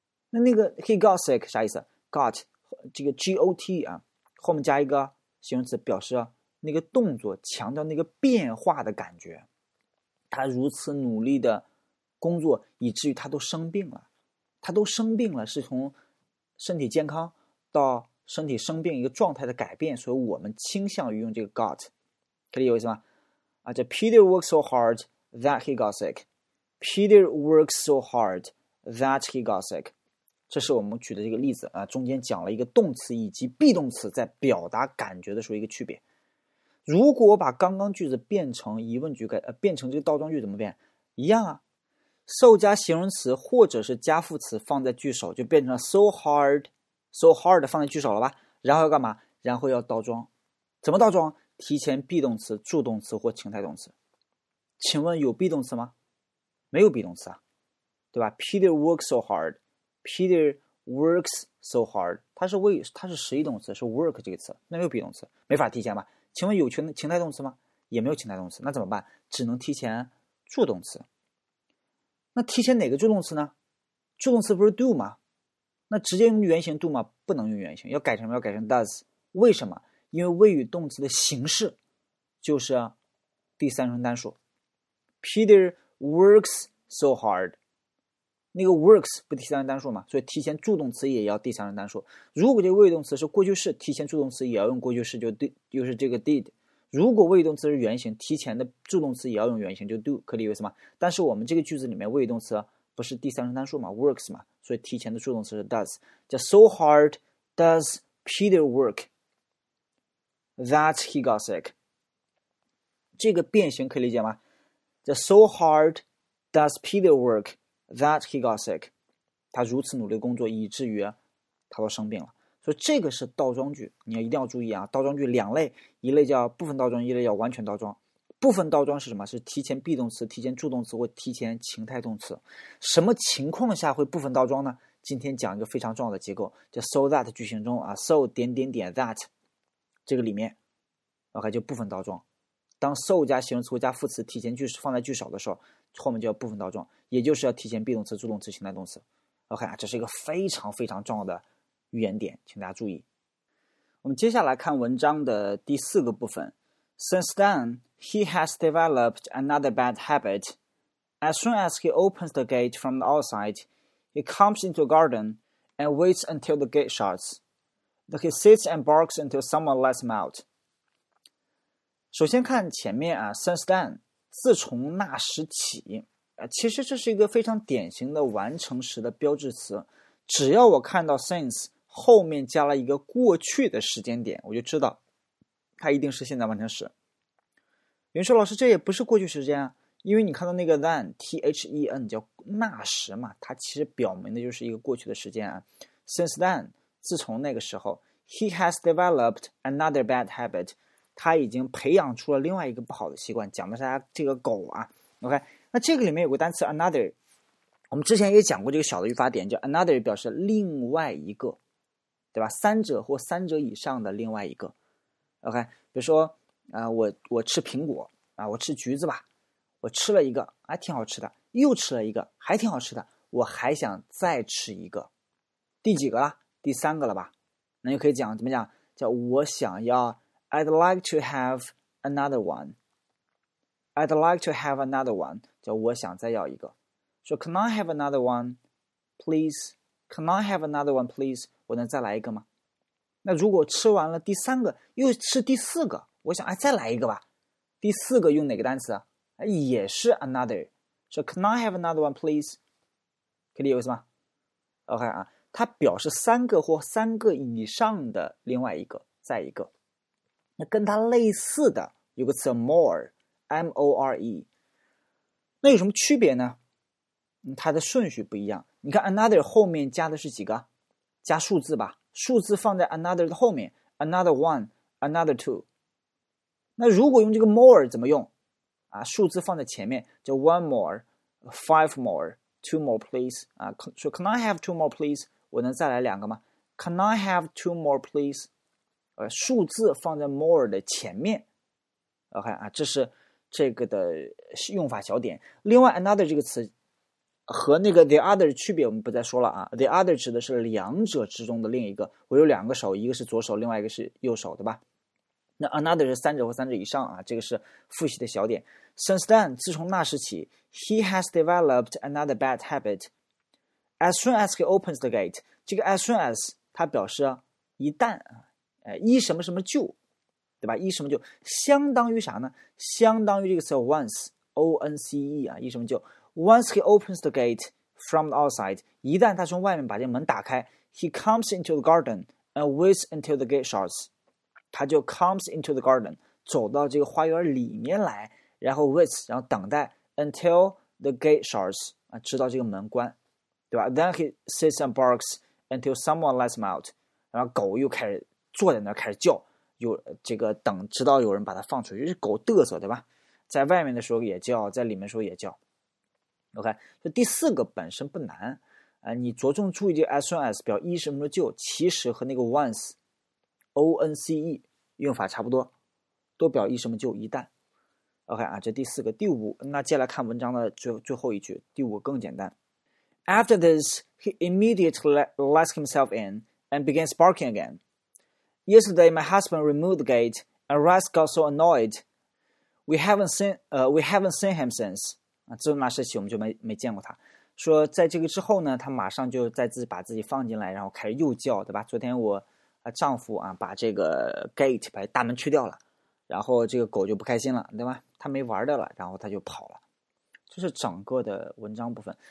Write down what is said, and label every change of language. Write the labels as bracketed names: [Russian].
[Chinese] 那个 [English] he got sick [Chinese] 啥意思 ？got 这个 got 啊，后面加一个形容词，表示那个动作，强调那个变化的感觉。他如此努力的工作，以至于他都生病了。他都生病了，是从身体健康到身体生病一个状态的改变，所以我们倾向于用这个 got， 可以有意思吗？ [English] 啊，这 Peter worked so hard that he got sick. Peter worked so hard that he got sick. [Chinese] 这是我们举的这个例子啊，中间讲了一个动词以及 be 动词在表达感觉的时候一个区别。如果我把刚刚句子变成疑问句，变成这个倒装句怎么变？一样啊。 So 加形容词或者是加副词放在句首，就变成了 so hard 放在句首了吧？然后要干嘛？然后要倒装，怎么倒装？提前 be 动词、助动词或情态动词。请问有 be 动词吗？没有 be 动词啊，对吧 ？ [English] Peter works so hard. Peter works so hard. [Chinese] 它是实义动词，是 work 这个词，那没有 be 动词，没法提前吧？请问有情态动词吗？也没有情态动词，那怎么办？只能提前助动词。那提前哪个助动词呢？助动词不是 do 吗？那直接用原形 do 吗？不能用原形，要改成什么？要改成 does。为什么？因为谓语动词的形式就是第三人称单数。 Peter works so hard， 那个 works 不第三人称单数吗？所以提前助动词也要第三人称单数。如果这个谓语动词是过去式，提前助动词也要用过去式，就是这个 did。如果谓语动词是原形，提前的助动词也要用原形，就 do， 可理解吗？但是我们这个句子里面谓语动词不是第三人称单数吗？ [English] works 嘛， [Chinese] 所以提前的助动词是 [English] does， 叫 so hard does Peter work that he got sick。 [Chinese] 这个变形可以理解吗？叫 [English] so hard does Peter work that he got sick， [Chinese] 他如此努力工作以至于他都生病了。所以这个是倒装句，你要一定要注意啊！倒装句两类，一类叫部分倒装，一类叫完全倒装。部分倒装是什么？是提前 be 动词、提前助动词或提前情态动词。什么情况下会部分倒装呢？今天讲一个非常重要的结构，叫 so that 句型中啊 ，so 点点点 that 这个里面 ，OK 就部分倒装。当 so 加形容词加副词提前句放在句首的时候，后面就叫部分倒装，也就是要提前 be 动词、助动词、情态动词。 OK 啊，这是一个非常非常重要的语言点，请大家注意。我们接下来看文章的第四个部分。 [English] Since then, he has developed another bad habit. As soon as he opens the gate from the outside, he comes into the garden and waits until the gate shuts. Then he sits and barks until someone lets him out. [Chinese] 首先看前面啊 ，since then， 自从那时起，其实这是一个非常典型的完成时的标志词。只要我看到 since。后面加了一个过去的时间点，我就知道它一定是现在完成时。有人说，老师，这也不是过去时间啊，因为你看到那个 then then 叫那时嘛，它其实表明的就是一个过去的时间啊。 [English] Since then， [Chinese] 自从那个时候 ， [English] he has developed another bad habit， [Chinese] 他已经培养出了另外一个不好的习惯。讲的是他这个狗啊 ，OK， 那这个里面有个单词 another。我们之前也讲过这个小的语法点，叫 another 表示另外一个，对吧？三者或三者以上的另外一个。OK， 比如说，我吃苹果啊，我吃橘子吧，我吃了一个，还挺好吃的，又吃了一个，还挺好吃的，我还想再吃一个，第几个了？第三个了吧？那就可以讲怎么讲？叫我想要 [English] ，I'd like to have another one。 I'd like to have another one， [Chinese] 叫我想再要一个。 [English] So can I have another one, please? Can I have another one, please? [Chinese] 我能再来一个吗？那如果吃完了第三个，又吃第四个，我想，哎，再来一个吧。第四个用哪个单词？ [English] 也是 another. So can I have another one, please? [Chinese] 可以有意思吗？ [English] OK 啊， [Chinese] 它表示三个或三个以上的另外一个再一个。那跟它类似的有个词 more， M-O-R-E， 那有什么区别呢？它的顺序不一样。你看 another 后面加的是几个，加数字吧，数字放在 another 的后面， another one， another two。那如果用这个 more 怎么用啊？数字放在前面叫 one more， five more， two more please 啊，说 [English] can I have two more please， [Chinese] 我能再来两个吗？ [English] can I have two more please， [Chinese] 数字放在 more 的前面。 OK 啊，这是这个的用法小点。另外 another 这个词和那个 the other 区别我们不再说了啊。 the other 指的是两者之中的另一个，我有两个手，一个是左手，另外一个是右手，对吧？那 another 是三者或三者以上啊，这个是复习的小点。 [English] since then， [Chinese] 自从那时起， [English] he has developed another bad habit as soon as he opens the gate。 [Chinese] 这个 as soon as 它表示一旦，一什么什么就，对吧？一什么就相当于啥呢？相当于这个词 once， O-N-C-E 啊，一什么就。 [English] Once he opens the gate from the outside， [Chinese] 一旦他从外面把这门打开， [English] he comes into the garden and waits until the gate shuts， 他就 comes into the garden， [Chinese] 走到这个花园里面来，然后 [English] waits， 然后等待 until the gate shuts，啊， [Chinese] 直到这个门关， [English] 对吧？ Then he sits and barks until someone lets him out， [Chinese] 然后狗又开始坐在那开始叫，有这个等直到有人把它放出去，就是狗嘚瑟，对吧？在外面的时候也叫，在里面的时候也叫。OK， 就第四个本身不难，你着重注意这个 as soon as 表一什么时候就，其实和那个 once， O N C E 用法差不多，都表一什么就，一旦。 OK 啊，这第四个。第五，那接下来看文章的最后一句，第五更简单。 [English] After this, he immediately lets himself in and begins barking again. Yesterday, my husband removed the gate, and Russ got so annoyed. We haven't seen him since. [Chinese] 自那时起我们就没见过他。说在这个之后呢，他马上就在自己把自己放进来，然后开始又叫，对吧？昨天我丈夫啊把这个 gate 把大门去掉了，然后这个狗就不开心了，对吧？他没玩的了，然后他就跑了。这是整个的文章部分。